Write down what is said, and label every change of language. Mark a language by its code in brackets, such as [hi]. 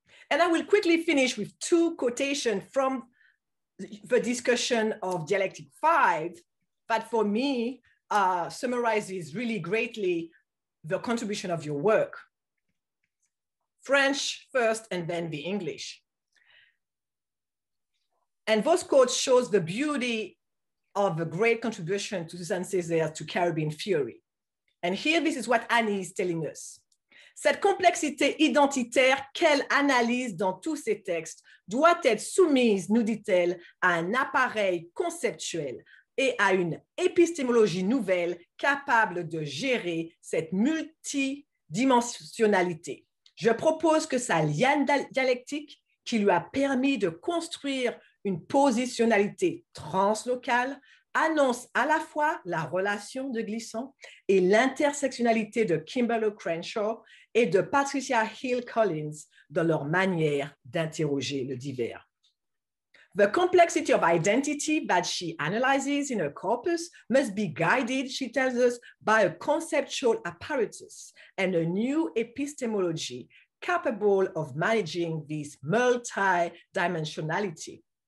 [en] And I will quickly finish with two quotations from the discussion of Dialectic Five, that for me summarizes really greatly the contribution of your work. French first and then the English. And those quotes shows the beauty of the great contribution to Suzanne Césaire to Caribbean theory. And here, this is what Annie is telling us. [fr] Cette complexité identitaire qu'elle analyse dans tous ses textes doit être soumise, nous dit-elle, à un appareil conceptuel et à une épistémologie nouvelle capable de gérer cette multidimensionnalité. Je propose que sa liane dialectique, qui lui a permis de construire une positionnalité translocale, annonce à la fois la relation de Glisson et l'intersectionnalité de Kimberlé Crenshaw et de Patricia Hill Collins dans leur manière d'interroger le divers. [en] The complexity of identity that she analyzes in her corpus must be guided, she tells us, by a conceptual apparatus and a new epistemology capable of managing this multi-dimensionality.